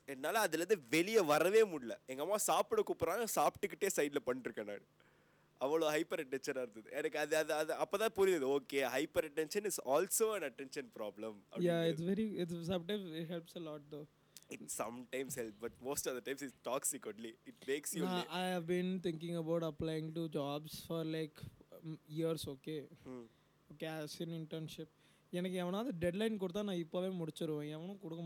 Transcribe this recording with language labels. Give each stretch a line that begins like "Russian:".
Tamil: என்னால அதுல இருந்து வெளியே வரவே முடியல, எங்க அம்மா சாப்பிட கூப்பிடறாங்க, சாப்பிட்டுக்கிட்டே சைட்ல பண்ணிருக்கேன் நான், அவ்வளோ ஹைப்பர் அட்டென்ஷனாக இருந்தது எனக்கு, அது அது அது அப்போ தான் புரியுது okay
English: Hyper attention is also an attention problem. It sometimes helps, but most of the times it's toxic only. It makes you... I have been thinking about applying to jobs for like years, okay? Okay, as in internship.
Tamil: எனக்கு எவனாவது deadline கொடுத்தா நான் இப்போவே முடிச்சிருவேன், எவனும் கொடுக்க